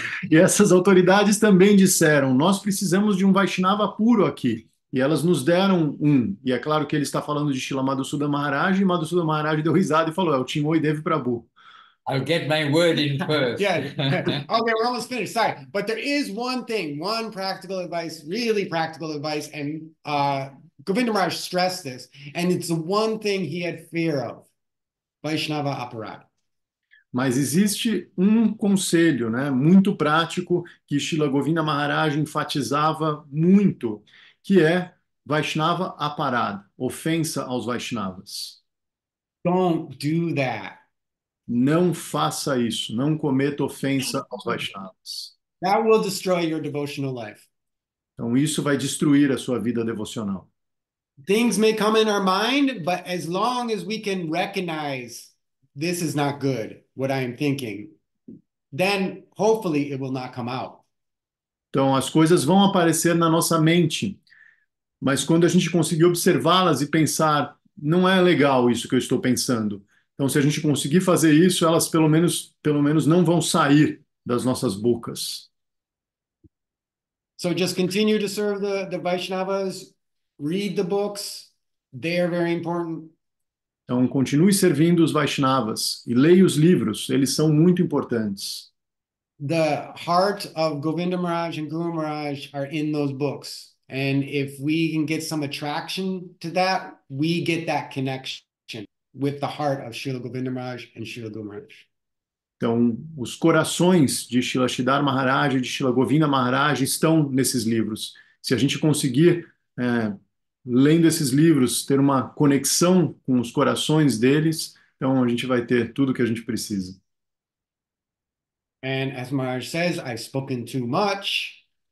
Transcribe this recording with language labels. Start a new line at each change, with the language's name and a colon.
Portuguese: E essas autoridades também disseram, nós precisamos de um Vaishnava puro aqui. E elas nos deram um. E é claro que ele está falando de Srila Madhusudan Maharaj, e Madhusudan Maharaj deu risada e falou, é o Chinmoy Dev Prabhu.
English: I'll get my word in first. Yeah. Okay, we're almost finished. Sorry. But there is one thing, one practical advice, really practical advice, and Govinda Maharaj stressed this, and it's the one thing he had fear of.
Sanskrit: Vaishnava aparat.
Portuguese: Mas existe um conselho, né, muito prático que Srila Govinda Maharaj enfatizava muito, que é Vaishnava aparat, ofensa aos Vaishnavas.
English: Don't do that.
Portuguese: Não faça isso, não cometa ofensa aos Vaishnavas.
English: That will destroy your devotional life.
Portuguese: Então isso vai destruir a sua vida devocional.
English: Things may come in our mind, but as long as we can recognize this is not good, what I am thinking, then hopefully it will not come out.
Portuguese: Então as coisas vão aparecer na nossa mente, mas quando a gente conseguir observá-las e pensar, não é legal isso que eu estou pensando. Então se a gente conseguir fazer isso, elas pelo menos não vão sair das nossas bocas.
English: So just continue to serve the Vaishnavas. Read the books, they are very important.
Portuguese: Então, continue servindo os Vaishnavas e leia os livros, eles são muito importantes.
English: The heart of Govinda Maharaj and Guru Maharaj are in those books. And if we can get some attraction to that, we get that connection with the heart of Srila Govinda Maharaj and Srila Guru Maharaj.
Portuguese: Então, os corações de Srila Siddhar Maharaj e de Srila Govinda Maharaj estão nesses livros. Se a gente conseguir, lendo esses livros, ter uma conexão com os corações deles, então a gente vai ter tudo que a gente precisa.
English: And as Maharaj says, I've spoken too much.